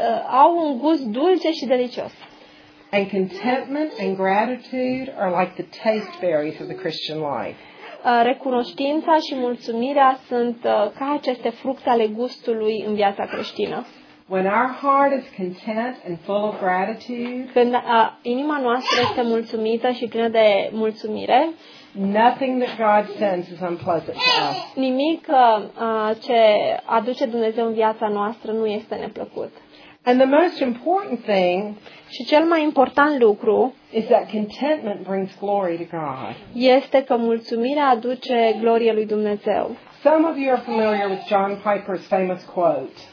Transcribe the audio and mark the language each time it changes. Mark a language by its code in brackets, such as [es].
[ro] Au un gust dulce și delicios. [en] And contentment and gratitude are like the taste berries of the Christian life. [ro] Recunoștința și mulțumirea sunt ca aceste fructe ale gustului în viața creștină. [en] When our heart is content and full of gratitude, [ro] când inima noastră este mulțumită și plină de mulțumire, [en] nothing that God sends is unpleasant to us. [ro] Nimic ce aduce Dumnezeu în viața noastră nu este neplăcut. [en] And the most important thing, [ro] și cel mai important lucru, [en] is that contentment brings glory to God. [ro] Este că mulțumirea aduce glorie lui Dumnezeu. [en] Some of you are familiar with John Piper's famous quote.